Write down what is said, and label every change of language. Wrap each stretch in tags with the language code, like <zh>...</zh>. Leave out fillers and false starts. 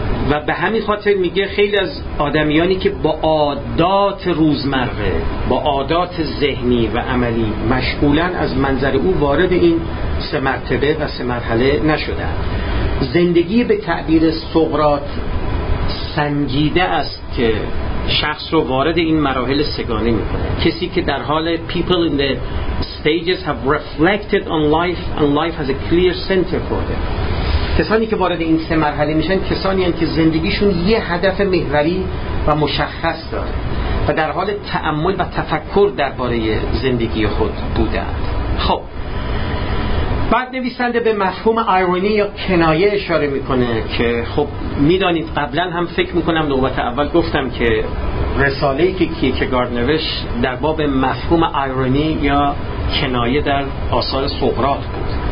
<fa>و به همین خاطر میگه خیلی از آدمیانی که با عادات روزمره، با عادات ذهنی و عملی مشغولن، از منظر او وارد این سه مرتبه و سه مرحله نشدن. زندگی به تعبیر سقراط سنجیده است که شخص رو وارد این مراحل سگانه میکنه. کسی که در حال</fa> <en>people in the stages have reflected on life and life has a clear center for them.</en> <fa>کسانی که وارد این سه مرحله میشن کسانی هستند که زندگیشون یه هدف محوری و مشخص داره و در حال تأمل و تفکر درباره زندگی خود بودند. خب بعد نویسنده به مفهوم ایرونی یا کنایه اشاره میکنه که خب میدانید قبلا هم فکر میکنم نوبت اول گفتم که رساله‌ای که کیرکگارد نوشت در باب مفهوم ایرونی یا کنایه در آثار سقراط بود</fa>